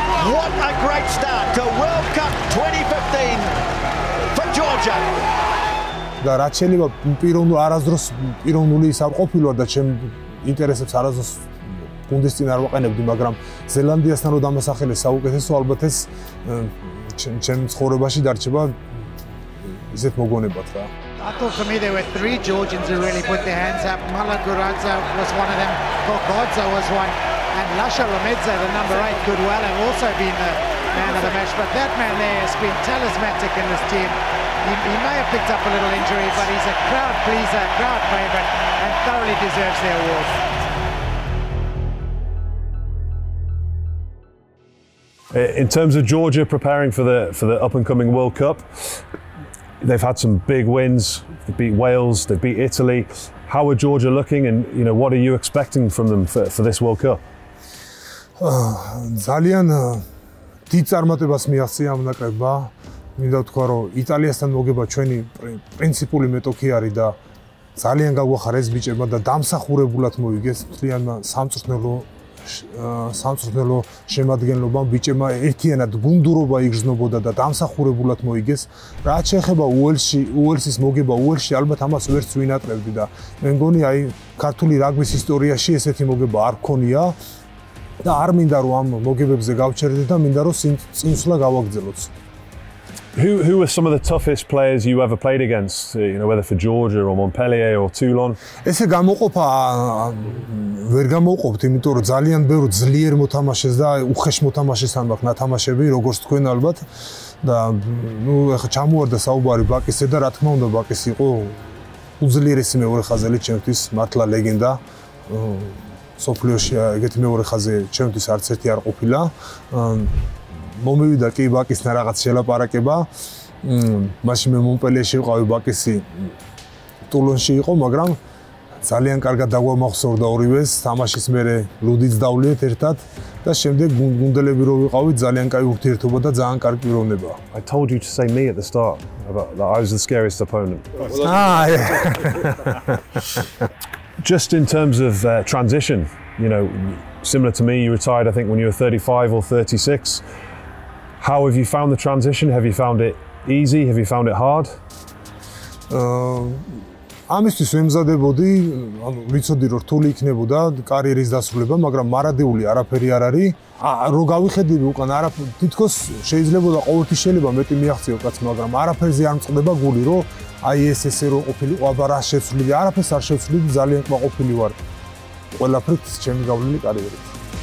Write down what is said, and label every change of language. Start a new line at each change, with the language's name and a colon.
English: What a great start to World Cup 2015 for Georgia.
Georgian: Da ratcheliba pironu arazdros pironuli sam qopilo da chem ინტერესებს არაზოს გუნდის წინ არ ვაყენებდი, მაგრამ ზელანდიასთან რო დამასახელე საუკეთესო, ალბათ ეს ჩემ ცხოვრებაში დარჩება ისეთ მოგონებად რა.
English: I thought for me there were three Georgians who really put their hands up. Mamuka Gorgodze was one of them, Gorgodze was one, and Lasha Lomedze, the number eight, could well have also been the man of the match. But that man there has been talismanic in this team. He may have picked up a little injury, but he's a crowd pleaser, a crowd favourite, and thoroughly deserves the award. In terms of Georgia preparing for the up-and-coming World Cup, they've had some big wins. They beat Wales, they beat Italy. How are Georgia looking, and you know, what are you expecting from them for this World Cup?
Georgian: Ძალიან დიდ წარმატებას მიაღწია ამ ნაკრებმა. Მინდა თქვა, რომ იტალიასთან მოგება ჩვენი პრინციპული მეტოქე არის და ძალიან გაგვახარა ეს ბიჭებმა და დამსახურებულად მოიგეს მთლიანმა სამწვრთნელო შემადგენლობამ. ბიჭებმა ერთიანად გუნდურობა იგრძნობოდა და დამსახურებულად მოიგეს. რაც შეეხება უელსის მოგება უელსში, ალბათ ამას ვერც ვინატრებდი და მე მგონი აი ქართული რაგბის ისტორიაში ესეთი მოგება არ ქონია და არ მინდა რომ ამ მოგებებზე გავჩერდეთ და მინდა რომ წინსვლა გავაგრძელოთ.
English: Who were some of the toughest players you ever played against, you know, whether for Georgia or Montpellier or Toulon?
Georgian: ესე გამოყოფა ვერ გამოყოფთ, იმიტომ რომ ძალიან ბევრი ძლიერ მოთამაშეს და უხეშ მოთამაშეს ან მაგ ნათამაშები, როგორც თქვენ ალბათ, და ნუ ეხა ჩამოვარდა საუბარი ბაკისზე და რა თქმა უნდა ბაკის იყო უძლიერესი მეორე ხაზელი ჩემთვის, მართლა ლეგენდა. სოფლიოში ეგეთი მეორე ხაზე ჩემთვის არც ერთი არ ყოფილა. მომივიდა კი ბაკისთან რაღაც შელაპარაკება. მაშინ მე მონპელიეში ვიყავი, ბაკისი ტულონში იყო, მაგრამ ძალიან კარგად დაგვამახსოვრდა ორივეს. თამაშის მერე ლუდიც დავლიეთ ერთად და შემდეგ გუნდელები რო ვიყავი, ძალიან კაი ურთიერთობა და ძალიან კარგი პიროვნება.
English: I told you to say me at the start about that I was the scariest opponent. Just in terms of transition, you know, similar to me, you retired I think when you were 35 or 36. How have you found the transition? Have you found it easy? Have you found it hard?
Georgian: ამისთვის ვემზადებოდი, ანუ ვიცოდი რომ რთული იქნებოდა კარიერის დასრულება, მაგრამ მარადეული არაფერი არ არის. რო გავიხედები უკან არა თითქოს შეიძლებოდა ყოველთვის შეიძლება მეტი მიაღწიო კაც, მაგრამ არაფერზე არ მწყდება გული, რომ აი ეს ესე რო ყოფილიყო, აბა რა შეცვლილი, არაფერს არ შეცვლილი, ძალიან კმაყოფილი ვარ ყველაფრით ჩემი გავლილი კარიერით.